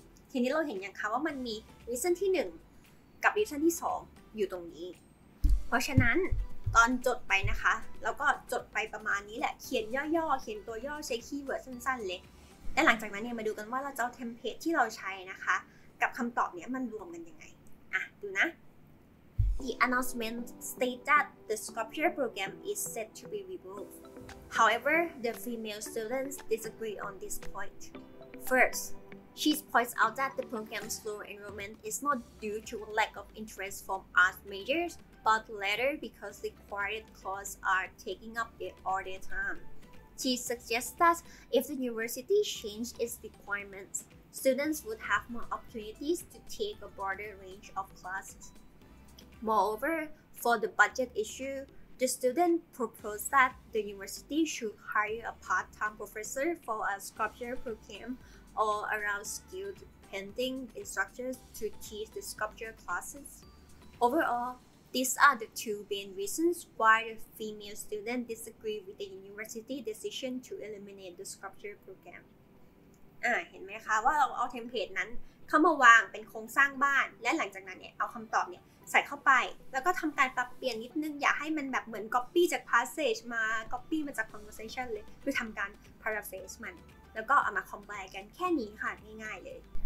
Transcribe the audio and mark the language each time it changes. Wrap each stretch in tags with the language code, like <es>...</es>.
<th>ทีนี้เราเห็นอย่างคะว่ามันมีวิชั่นที่1กับวิชั่นที่2อยู่ตรงนี้เพราะฉะนั้นตอนจดไปนะคะแล้วก็จดไปประมาณนี้แหละเขียนย่อๆเขียนตัวย่อใช้คีย์เวิร์ดสั้นๆเลยและหลังจากนั้นเนี่ยมาดูกันว่าเราจะเอาเทมเพลตที่เราใช้นะคะกับคำตอบเนี้ยมันรวมกันยังไงดูนะ</th> <en>The announcement states that the sculpture program is set to be removed. However, the female students disagree on this point. First, she points out that the program's low enrollment is not due to a lack of interest from art majorsBut later, because the required courses are taking up all their time. She suggests that if the university changed its requirements, students would have more opportunities to take a broader range of classes. Moreover, for the budget issue, the student proposed that the university should hire a part-time professor for a sculpture program or around skilled painting instructors to teach the sculpture classes. Overall,These are the two main reasons why the female student disagree with the university decision to eliminate the sculpture program.</en> <th>เห็นไหมคะว่าเราเอาเทมเพลตนั้นเข้ามาวางเป็นโครงสร้างบ้านและหลังจากนั้นเนี่ยเอาคำตอบเนี่ยใส่เข้าไปแล้วก็ทำการปรับเปลี่ยนนิดนึงอย่าให้มันแบบเหมือน copy จาก passage มา copy มาจาก conversation เลยคือทำการ paraphrase มันแล้วก็เอามา combine กันแค่นี้ค่ะง่ายๆเลย</th>